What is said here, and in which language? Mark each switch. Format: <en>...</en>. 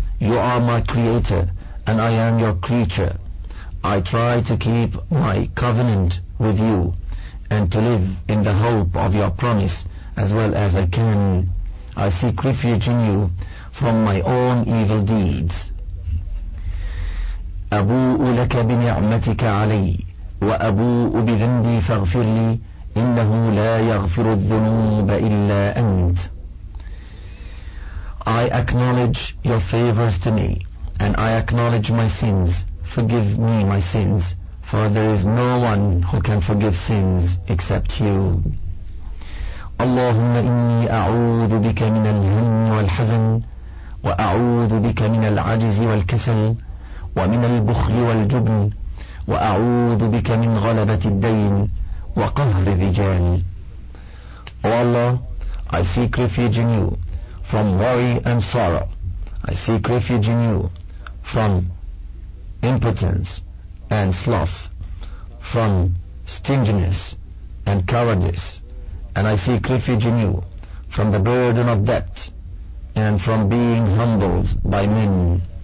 <en>You are my creator and I am your creature. I try to keep my covenant with you and to live in the hope of your promise as well as I can. I seek refuge in you from my own evil deeds.</en> <ar>أبوء لك بنعمتك علي وأبوء بذنبي فاغفر لي إنه لا يغفر الذنوب إلا أنت.</ar> <en>I acknowledge your favors to me and I acknowledge my sins. Forgive me my sins, for there is no one who can forgive sins except you.</en> <ar>اللهم إني أعوذ بك من الهم والحزن وأعوذ بك من العجز والكسل ومن البخل والجبن وأعوذ بك من غلبة الدين وقهر الرجال.</ar> <en>O Allah, I seek refuge in you from worry and sorrow. I seek refuge in you from impotence and sloth, from stinginess and cowardice. And I seek refuge in you from the burden of debt and from being humbled by men.</en>